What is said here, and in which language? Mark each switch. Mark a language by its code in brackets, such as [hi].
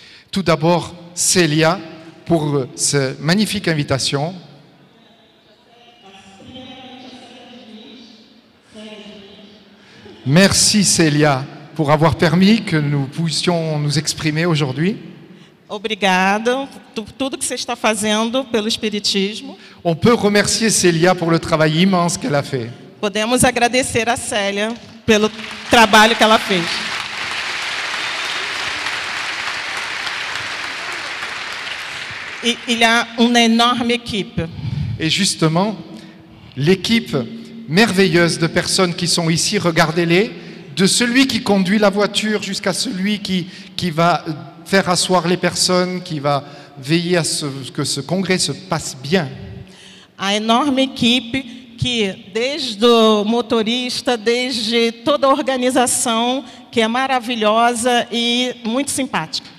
[fr] Tout d'abord, Célia, pour cette magnifique invitation. Merci, Célia, pour avoir permis que nous puissions nous exprimer aujourd'hui. [pt] Obrigada por tudo que você está fazendo pelo espiritismo. [fr] On peut remercier Célia pour le travail immense qu'elle a fait. [pt] Podemos agradecer a Célia pelo trabalho que ela fez. [fr] Il y a une énorme équipe. Et justement, l'équipe merveilleuse de personnes qui sont ici, regardez-les, de celui qui conduit la voiture jusqu'à celui qui va faire asseoir les personnes, qui va veiller à ce que ce congrès se passe bien. A énorme équipe qui, [pt] desde o motorista, desde toda a organização, que é maravilhosa e muito simpática.